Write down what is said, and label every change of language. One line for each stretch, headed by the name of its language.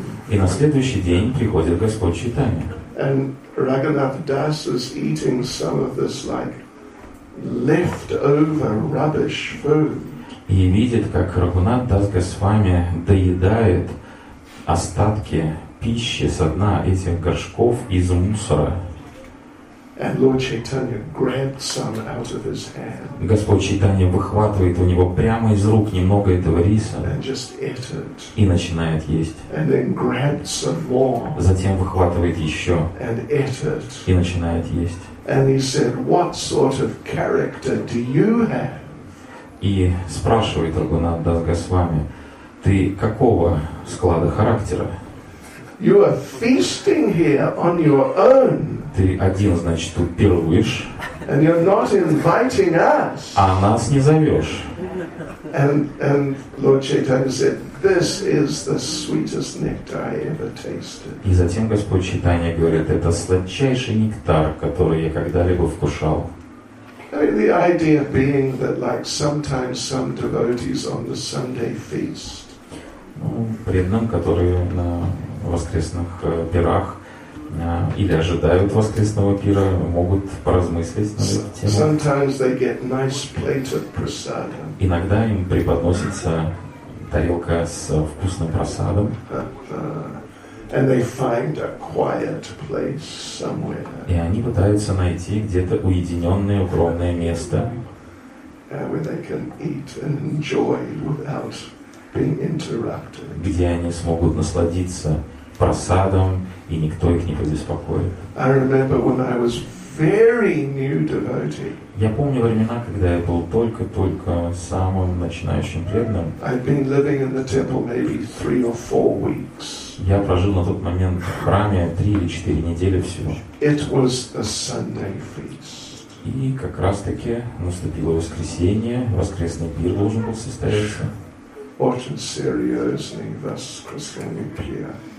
Russian: И на следующий день приходит Господь Чайтанья. И видит, как Рагунат Дас Госвами доедает остатки пищи со дна этих горшков из мусора.
English: And Lord Chaitanya grabbed some out of his hand.
Russian: Господь Чайтанья выхватывает у него прямо из рук немного этого риса.
English: And just ate it.
Russian: И начинает есть.
English: And then grabbed some more.
Russian: Затем выхватывает еще.
English: And ate it.
Russian: И начинает есть.
English: And he said, "What sort of character do you have?"
Russian: И спрашивает Рагунат Дас Госвами, "Ты какого склада характера?"
English: You are feasting here on your own.
Russian: Ты один, значит, тут пируешь.
English: And you're not inviting us.
Russian: А нас не зовешь.
English: And Lord Chaitanya said, "This is the sweetest nectar I ever tasted."
Russian: И затем Господь Чайтанья говорит, это сладчайший нектар, который я когда-либо вкушал.
English: The idea being that, like, sometimes some devotees on the Sunday feast.
Russian: Преданным, которые на воскресных пирах или ожидают воскресного пира, могут поразмыслить на эту тему.
English: Sometimes they get nice plate of prasadam.
Russian: Иногда им преподносится тарелка с вкусным просадом.
English: And they find a quiet place somewhere.
Russian: И они пытаются найти где-то уединенное укромное место,
English: where they can eat and enjoy without being interrupted.
Russian: Где они смогут насладиться просадом, и никто их не побеспокоит.
English: I remember when I was very new devotee.
Russian: Я помню времена, когда я был только-только самым начинающим преданным.
English: I've been living in the temple maybe 3 or 4 weeks.
Russian: Я прожил на тот момент в храме 3 или 4 недели всего.
English: It was a Sunday feast.
Russian: И как раз-таки наступило воскресенье, воскресный пир должен был состояться. Очень серьезный воскресный пир.